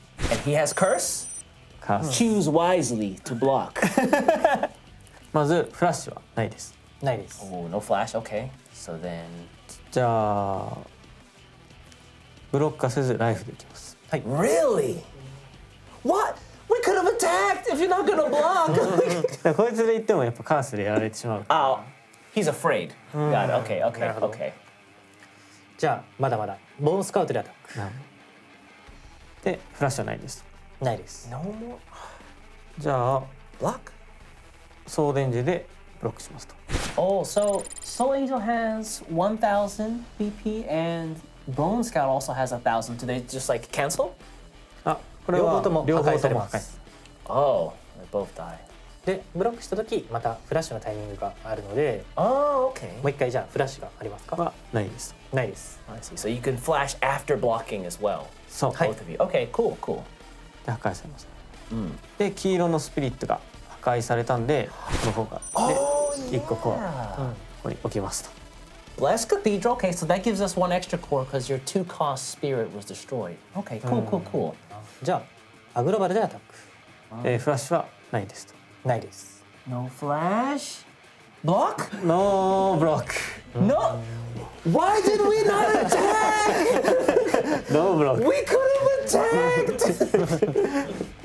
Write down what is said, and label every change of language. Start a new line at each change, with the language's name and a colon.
English: And he has curse? Curse. Choose wisely to block.
Japanese: まずフラッシュはないです。ないです。
English: Oh, no flash, okay. So then...
Japanese: じゃあブロックせずライフでいきます。はい。
English: Really? What? We could have attacked if you're not gonna block.
Japanese: こいつで言ってもやっぱカースでやられてしまう。
English: Oh, he's afraid. Got it. Okay, okay, okay.
Japanese: じゃあまだまだボーンスカウトでアタック。でフラッシュはないです。ないです。
English: No more.
Japanese: じゃあブロック。ソーデンジでブロックしますと。
English: Oh, so Soul Angel has 1,000 BP and Bone Scout also has 1,000. Do they just like cancel?
Japanese: あ、これは両方とも破壊されます。
English: Oh, they both die.
Japanese: で、ブロックした時またフラッシュのタイミングがあるので、あー、OK、もう一回じゃあフラッシュがありますか？は、ないです。ないです。
English: I see. So you can flash after blocking as well.
Japanese: そう、
English: はい、Both of you. OK, cool, cool.
Japanese: で、破壊されました、うん、で、黄色のスピリットが破壊されたんで、この方が、
English: oh,
Japanese: で、
English: yeah.
Japanese: 1個コア、ここに置きますと。
English: Bless Cathedral. Okay, so that gives us one extra core because your two cost spirit was destroyed. Okay, cool, cool, cool.
Japanese: じゃあ、アグロバルでアタック。フラッシュはないですと。ないです。
English: No flash? Block? No block. No? Why did we not attack? No block. We could have attacked!